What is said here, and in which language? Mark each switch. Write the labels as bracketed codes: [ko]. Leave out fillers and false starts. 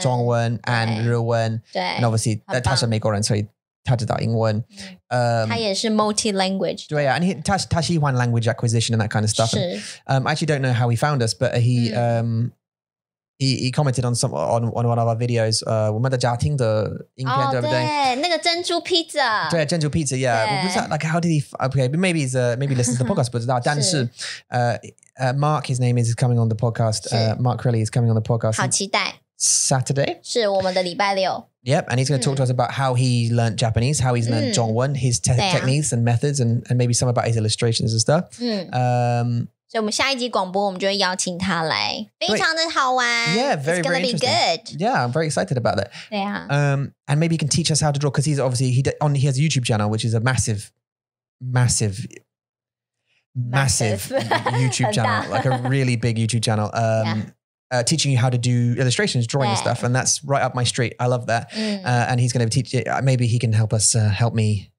[zh] 中文 [en] and [zh] 日文, 对, [en] and obviously [zh] 他是美国人, 所以他知道英文, 他也是 multi-language. 对啊, [en] and [zh] 他喜欢 [en] language acquisition and that kind of stuff. [zh] 是, [en] and, I actually don't know how he found us, but he, he commented on some on one of our videos. [zh] 我们的家庭的影片对不对？那个珍珠 pizza. 对, 珍珠 [en] pizza. Yeah. Was that, like how did he? Okay, maybe he's maybe listens to the podcast. [zh] 不知道，但是 [en] Mark, his name is coming on the podcast. Mark Crilly is coming on the podcast. [zh] 好期待 [en] Saturday. [zh] 是我们的礼拜六. [en] Yep, and he's going to talk to us about how he learned Japanese, how he's learned Zhongwen, his techniques and methods, and maybe some about his illustrations and stuff. [zh] 所以我们下一集广播我们就会邀请他来 非常的好玩 [en] Yeah, very, very interesting It's gonna be good Yeah, I'm very excited about that [zh] 对啊 [en] And maybe he can teach us how to draw Because he's obviously he has a YouTube channel Which is a massive Massive Massive YouTube channel Like a really big YouTube channel teaching you how to do illustrations, drawing and stuff And that's right up my street I love that And he's gonna teach you Maybe he can help us Help me